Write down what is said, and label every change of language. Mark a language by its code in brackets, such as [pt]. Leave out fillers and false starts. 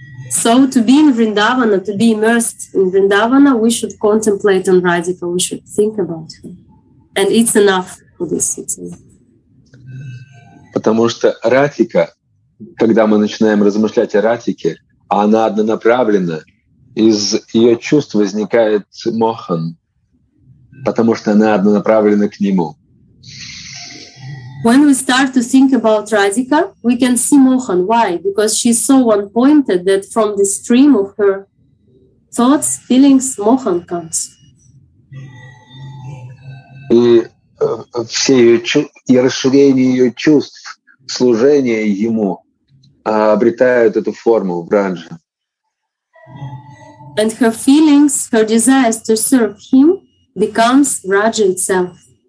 [en] So to be in Vrindavana, to be immersed in Vrindavana, we should contemplate on Radhika, we should think about her. And it's enough for this situation. [ru] Потому что Ратика, когда мы начинаем размышлять о Ратике, она однонаправленна, из ее чувств возникает мохан, потому что она однонаправлена к нему. [en] When we start to think about Radhika, we can see Mohan. Why? Because she's so one-pointed that from the stream of her thoughts, feelings, Mohan comes. [ru] И все ее и расширение ее чувств, служение ему обретают эту форму в Радже. [en] And her feelings, her desires to serve him becomes Raja itself.